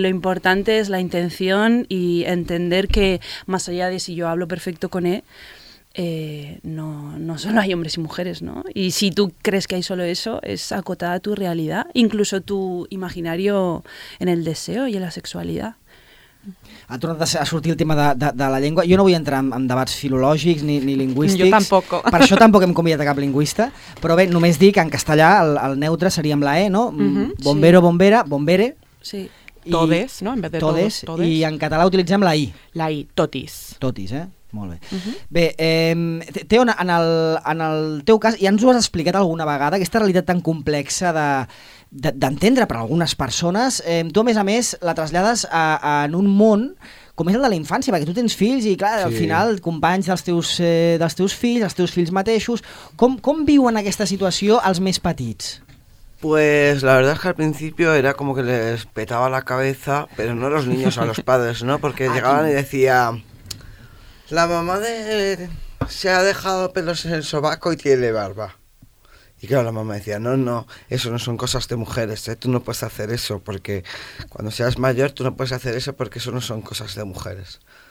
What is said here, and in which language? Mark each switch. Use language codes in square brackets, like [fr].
[es] Lo importante es la intención y entender que, más allá de si yo hablo perfecto con él, no solo hay hombres y mujeres, ¿no? Y si tú crees que hay solo eso, es acotada tu realidad, incluso tu imaginario en el deseo y en la sexualidad. [ca] Ha tornat a sortir el tema de la llengua. Jo no vull entrar en debats filològics ni lingüístics. Jo tampoc. Per això tampoc hem convidat a cap lingüista. Però bé, només dic que en castellà el neutre seria amb la E, no? Mm-hmm, bombero, sí. Bombera, bombere. Sí. [es] Todes, no? En vez de todes. [ca] I en català utilitzem la I. La I, totis. Totis, eh? Molt bé. Uh-huh. Bé, Teo, en el teu cas, ja ens ho has explicat alguna vegada, aquesta realitat tan complexa d'entendre per algunes persones, tu a més la trasllades en un món com és el de la infància, perquè tu tens fills i clar, sí. Al final companys dels teus fills, els teus fills mateixos, com viuen aquesta situació els més petits? [es] Pues la verdad es que al principio era como que les petaba la cabeza, pero no a los niños, a los padres, ¿no? Porque llegaban y decía... La mamá se ha dejado pelos en el sobaco y tiene barba. Y claro, la mamá decía, no, eso no son cosas de mujeres, ¿eh? Tú no puedes hacer eso porque cuando seas mayor tú no puedes hacer eso porque eso no son cosas de mujeres.